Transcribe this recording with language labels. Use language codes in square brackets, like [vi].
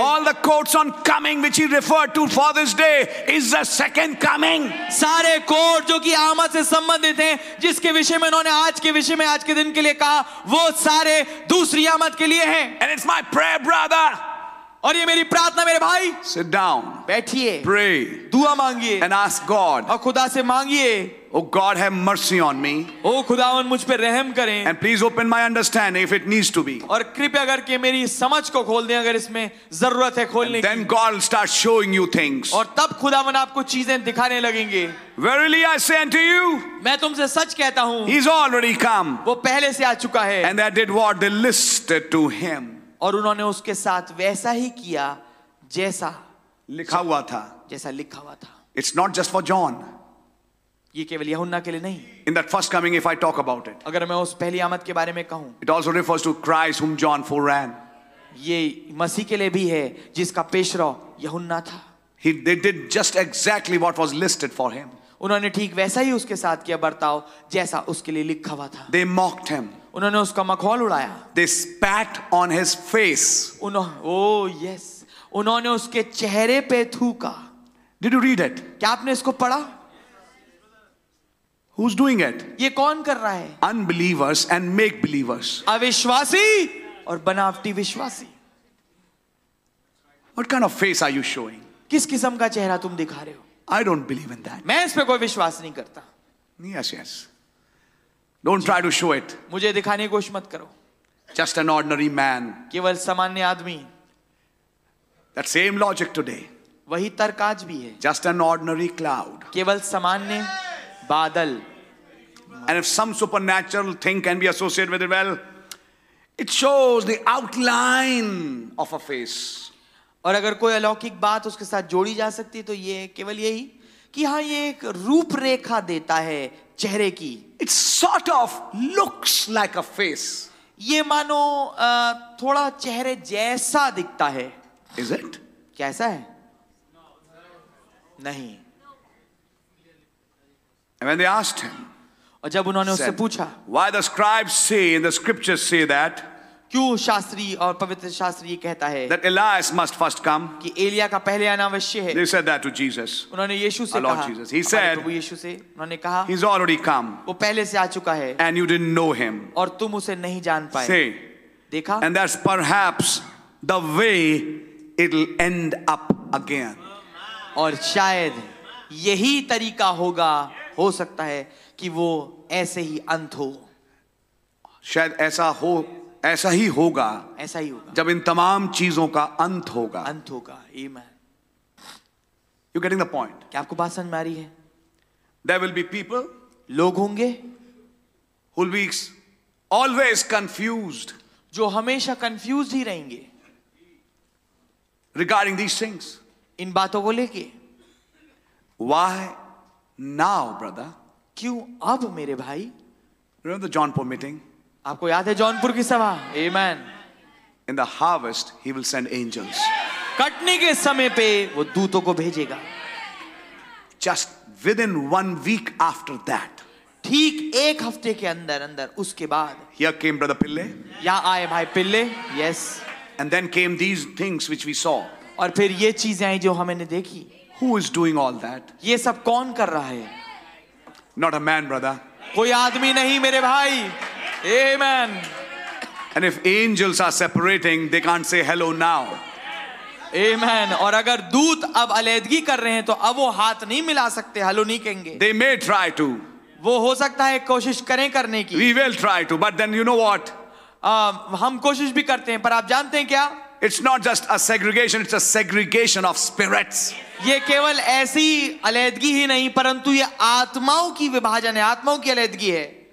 [en] All the quotes on coming which he referred to for this day is the second coming. [hi] सारे coat जो कि आमद से संबंधित हैं, जिसके विषय में उन्होंने आज के विषय में आज के दिन के लिए कहा, वो सारे दूसरी आमद के लिए हैं. [en] And it's my prayer, brother. [hi] और ये मेरी प्रार्थना मेरे भाई. [en] Sit down. [hi] बैठिए. [en] Pray. [hi] दुआ मांगिए. [en] And ask God. [hi] और खुदा से मांगिए. [en] Oh God, have mercy on me. [hi] Oh, खुदावन मुझ पे रहम करें. [en] And please open my understanding if it needs to be. [hi] और कृपया करके मेरी समझ को खोल दें अगर इसमें जरूरत है खोलने की. [en] Then God will start showing you things. [hi] और तब खुदावन आपको चीजें दिखाने लगेंगे. [en] Verily I say unto you. [hi] मैं तुमसे सच कहता हूँ. [en] He's already come. [hi] वो पहले से आ चुका है. [en] And they did what they listed to him. [hi] और उन्होंने उसके साथ वैसा ही किया जैसा लिखा हुआ था. जैसा लिखा हुआ था. [en] It's not just for John. [hi] ये केवल यहुन्ना के लिए नहीं. [en] In that first coming, if I talk about it, [hi] अगर मैं उस पहली आमद के बारे में कहूं, [en] it also refers to Christ whom John foreran. [hi] ये मसीह के लिए भी है जिसका पेशरो यहुन्ना था. [en] He they did just exactly what was listed for him. [hi] उन्होंने ठीक वैसा ही उसके साथ किया बर्ताव जैसा उसके लिए लिखा हुआ था. [en] They mocked him. [hi] उन्होंने उसका मखौल उड़ाया. [en] They spat on his face. [hi] उन्होंने उसके चेहरे पे थूका. [en] Did you read it? [hi] क्या आपने इसको पढ़ा? [en] Who's doing it? [hi] ये कौन कर रहा है? [en] Unbelievers and make believers. [hi] अविश्वासी और बनावटी विश्वासी. [en] What kind of face are you showing? [hi] किस किस्म का चेहरा तुम दिखा रहे हो? [en] I don't believe in that. [hi] मैं इस पे कोई विश्वास नहीं करता. [en] Yes, yes. Don't try to show it. [hi] मुझे दिखाने की कोशिश मत करो. [en] Just an ordinary man. [hi] केवल सामान्य आदमी. [en] That same logic today. [hi] वही तर्क आज भी है. [en] Just an ordinary cloud. [hi] केवल सामान्य बादल. [en] And if some supernatural thing can be associated with it, well, it shows the outline of a face. [hi] और अगर कोई अलौकिक बात उसके साथ जोड़ी जा सकती तो ये केवल यही कि हाँ, ये एक रूपरेखा देता है चेहरे की. [en] It sort of looks like a face. [hi] ये मानो थोड़ा चेहरे जैसा दिखता है. [en] Is it? [hi] कैसा है? नहीं. [en] And when they asked him, [hi] और जब उन्होंने उससे पूछा, [en] why the scribes say in the scriptures say that, [hi] क्यों शास्त्री और पवित्र शास्त्री कहता है, [en] that Elias must first come, [hi] कि एलिया का पहले आना अवश्य है, [en] they said that to Jesus, [hi] उन्होंने यीशु से कहा, [en] Lord Jesus, he said, [hi] प्रभु यीशु से, उन्होंने कहा, [en] he's already come, [hi] वो पहले से आ चुका है, [en] and you didn't know him, [hi] और तुम उसे नहीं जान पाए, [en] say, [hi] देखा, [en] and that's perhaps the way it'll end up again, [hi] और शायद यही तरीका होगा. हो सकता है कि वो ऐसे ही अंत हो. शायद ऐसा हो, ऐसा ही होगा. ऐसा ही होगा जब इन तमाम चीजों का अंत होगा. अंत होगा. आमीन. [en] You getting the point? [hi] क्या आपको बात समझ में आ रही है? [en] there will be people, [hi] लोग होंगे, [en] who will be always confused, [hi] जो हमेशा कंफ्यूज ही रहेंगे [en] regarding these things, [hi] इन बातों को लेके. [en] Why Now, brother. [hi] क्यों अब मेरे भाई? [en] Remember the Jaunpur meeting? [hi] आपको याद है जौनपुर की सभा? [en] Amen. In the harvest, he will send angels. [hi] कटने के समय पे वो दूतों को भेजेगा. [en] Just within 1 week after that. [hi] ठीक एक हफ्ते के अंदर अंदर उसके बाद. [en] Here came brother Pille. [hi] यहाँ आए भाई पिल्ले. Yes. [en] And then came these things which we saw. [hi] और फिर ये चीजें आई जो हमने देखी. [en] Who is doing all that? [hi] ये सब कौन कर रहा है? [en] Not a man, brother. [hi] कोई आदमी नहीं मेरे भाई. Amen. [en] And if angels are separating, they can't say hello now. Amen. [hi] और अगर दूत अब अलैदगी कर रहे हैं तो अब वो हाथ नहीं मिला सकते, हेलो नहीं कहेंगे. [en] They may try to. [hi] वो हो सकता है कोशिश करें करने की. [en] We will try to, but then you know what? [hi] हम कोशिश भी करते हैं, पर आप जानते हैं क्या? [en] It's not just a segregation, it's a segregation of spirits. [hi] ये केवल ऐसी अलैदगी ही नहीं, परंतु ये आत्माओं की विभाजन है, आत्माओं की अलैदगी है.